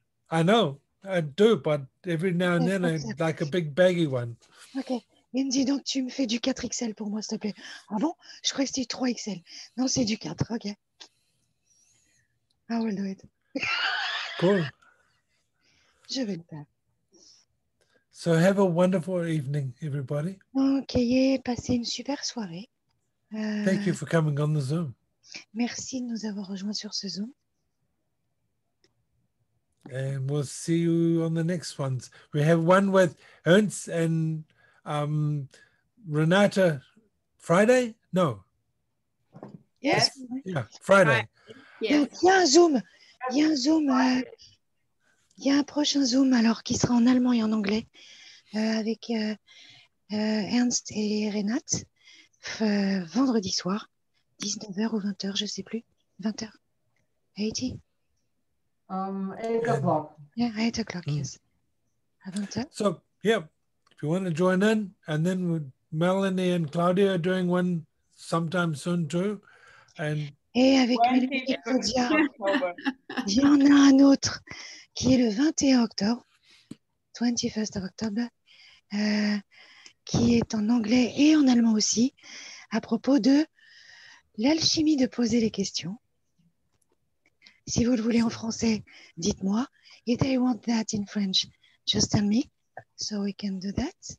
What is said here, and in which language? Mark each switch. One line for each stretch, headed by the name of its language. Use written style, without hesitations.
English: I know, I do, but every now and then, like a big baggy one.
French: Okay, Lindsay, donc tu me fais du 4 XL pour moi, s'il te plaît. Ah bon? Je crois que c'est du 3 XL. Non, c'est du 4, okay.
English: I will do it. Cool.
French: Je vais le faire.
English: So have a wonderful evening, everybody.
French: Okay, passez une super soirée.
English: Thank you for coming on the Zoom.
French: Merci de nous avoir rejoints sur ce Zoom.
English: And we'll see you on the next ones. We have one with Ernst and Renata Friday? No. Yes. Yeah, Friday.
French: Il y a un Zoom. Il y a un Zoom. Il y a un prochain Zoom alors qui sera en allemand et en anglais avec Ernst et Renate. Vendredi soir, 19h ou 20h, je ne sais plus. 20h. 80.
English: 8 o'clock. Yeah, 8 o'clock, yes.
French: Mm-hmm. À 20h.
English: So, yeah, if you want to join in, and then Melanie and Claudia are doing one sometime soon too. And...
French: Et avec Melanie et Claudia, il y en a un autre qui est le 21 octobre,
English: 21st of October.
French: Qui est en anglais et en allemand aussi, à propos de l'alchimie de poser les questions. Si vous le voulez en français, dites-moi.
English: If they want that in French, just tell me, so we can do that.